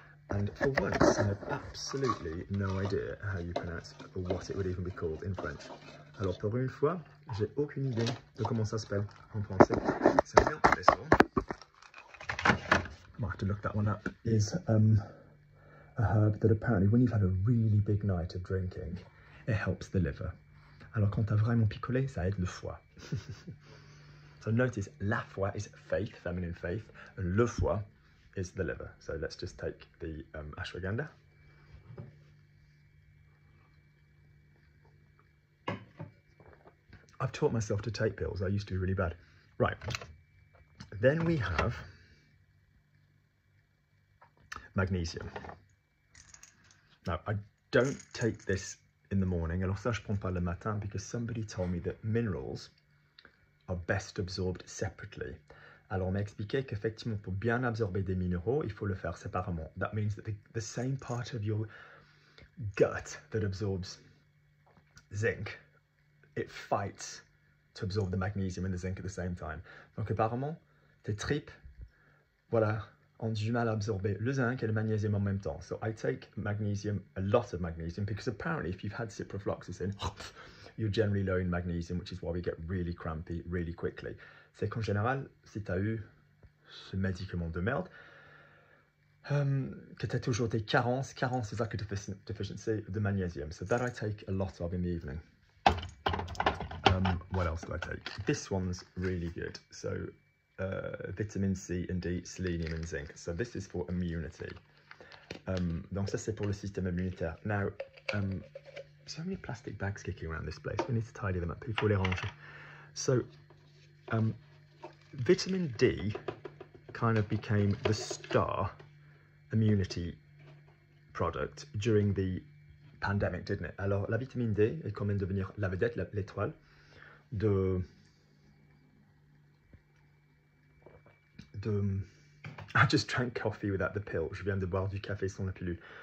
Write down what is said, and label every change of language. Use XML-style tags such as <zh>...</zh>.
<en>And for once, I have absolutely no idea how you pronounce or what it would even be called in French.</en> <fr>Alors, pour une fois, j'ai aucune idée de comment ça s'appelle en français.</fr> <en>So, mint thistle. I'm going to look that one up. Is a herb that apparently, when you've had a really big night of drinking, it helps the liver.</en> <fr>Alors, quand t'as vraiment picolé, ça aide le foie.</fr> <en>So, notice, la foi is faith, feminine faith, and le foie is the liver. So, let's just take the ashwagandha. I've taught myself to take pills. I used to be really bad. Right. Then we have magnesium. Now, I don't take this in the morning.</en> <fr>Alors ça, je prends pas le matin,</fr> <en>because somebody told me that minerals are best absorbed separately.</en> <fr>Alors, on m'a expliqué qu'effectivement, pour bien absorber des minéraux, il faut le faire séparément.</fr> <en>That means that the same part of your gut that absorbs zinc, it fights to absorb the magnesium and the zinc at the same time.</en> <fr>Donc, apparemment, tes tripes, voilà, ont du mal à absorber le zinc et le magnésium en même temps.</fr> <en>So, I take magnesium, a lot of magnesium, because apparently, if you've had ciprofloxacin, you're generally low in magnesium, which is why we get really crampy really quickly.</en> <fr>C'est qu'en général, si tu as eu ce médicament de merde, que tu as toujours des carences.</fr> <en>Carence is like a deficiency</en> <fr>de magnésium.</fr> <en>So that I take a lot of in the evening. What else do I take? This one's really good. So vitamin C and D, selenium and zinc. So this is for immunity.</en> <fr>Donc ça, c'est pour le système immunitaire.</fr> <en>Now, so many plastic bags kicking around this place. We need to tidy them up.</en> <fr>Il faut les ranger.</fr> <en>So, vitamin D kind of became the star immunity product during the pandemic, didn't it?</en> <fr>Alors, la vitamine D est comme devenir la vedette, l'étoile de...</fr> <en>I just drank coffee without the pill.</en> <fr>Je viens de boire du café sans la pilule.</fr>